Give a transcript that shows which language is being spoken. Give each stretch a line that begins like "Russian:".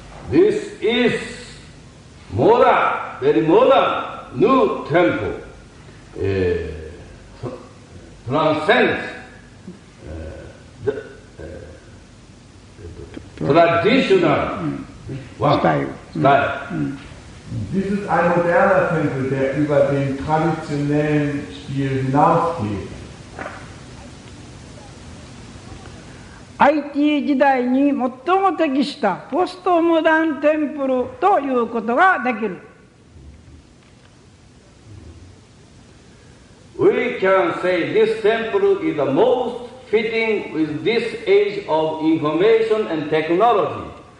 English: This is modern, very modern new temple transcends traditional style.
German: Dies ist ein moderner Tempel, der über den traditionellen Stil hinausgeht.
Japanese: IT-Zeit に最も適したポストモダンテンプルということができる。
English: We can say this temple is the most fitting with this age of information and technology.